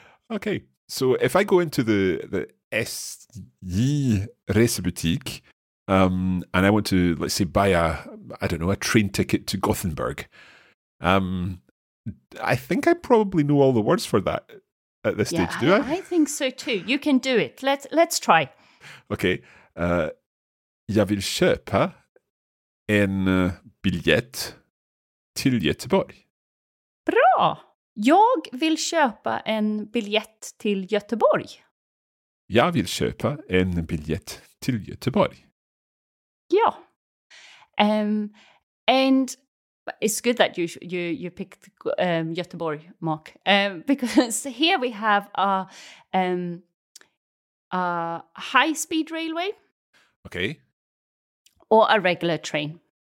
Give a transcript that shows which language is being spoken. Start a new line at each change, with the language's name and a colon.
English: Okay, so if I go into the SJ Resebutik, and I want to, let's say, buy a train ticket to Gothenburg, I think I probably know all the words for that at this stage, do I? I think so too. You can do it. Let's try. Okay.
Swedish: Jag vill köpa en biljett till Göteborg. Bra! Jag vill köpa en biljett till Göteborg. Jag vill köpa en biljett till Göteborg. Ja.
English: It's good that you picked Göteborg, Mark, because here we have a high-speed railway. Okay. Or a regular train.